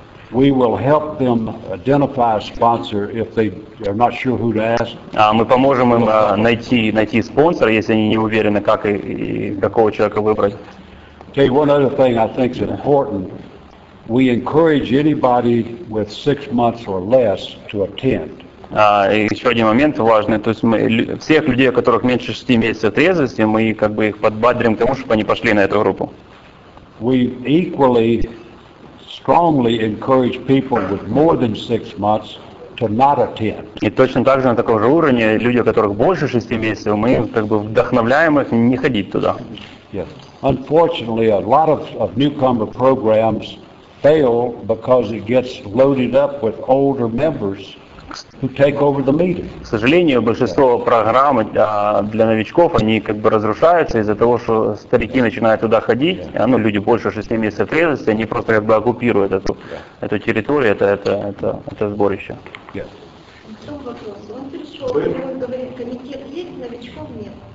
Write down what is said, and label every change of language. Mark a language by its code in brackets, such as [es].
[en] We will help them identify a sponsor if they are not sure who to ask. [ru] Мы поможем им найти спонсора, если они не уверены, как и какого человека выбрать. [en] Okay, one other thing I think is important. We encourage anybody with 6 months or less to attend. [ru] Еще один момент важный. То есть мы всех людей, у которых меньше 6 месяцев трезвости, мы как бы их подбадриваем к тому, чтобы они пошли на эту группу. [en] We equally strongly encourage people with more than 6 months to not attend. [ru] И точно так же на таком же уровне люди, у которых больше 6 месяцев, мы как бы вдохновляем их не ходить туда. [en] Yes. Unfortunately, a lot of newcomer programs fail because it gets loaded up with older members who take over the meeting. [ru] К сожалению, большинство программ для новичков они как бы разрушаются из-за того, что старики начинают туда ходить, а люди больше 6 месяцев трезвости, они просто как бы оккупируют эту территорию, это сборище. Еще вопрос. Он пришел, он говорит, комитет есть, новичков нет.